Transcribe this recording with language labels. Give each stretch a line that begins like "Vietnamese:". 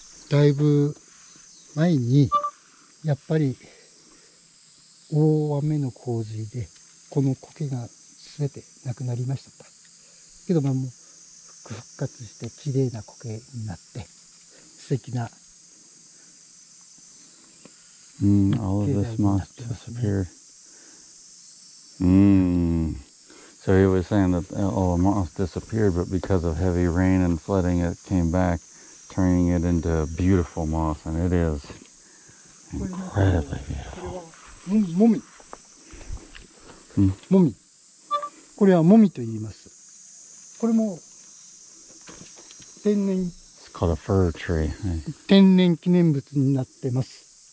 Japanese: だいぶ前にやっぱり大雨の洪水でこの苔が全てなくなりましたか。けどまあもう復活して綺麗な苔になって素敵な。
English: All of this moss disappeared. So he was saying that all the moss disappeared, but because of heavy rain and flooding, it came back, turning it into beautiful moss, and it is incredibly beautiful.
Japanese: モミ。モミ。これはモミと言います。これも天然。
English: It's called a fir tree.
Japanese: 天然記念物になってます。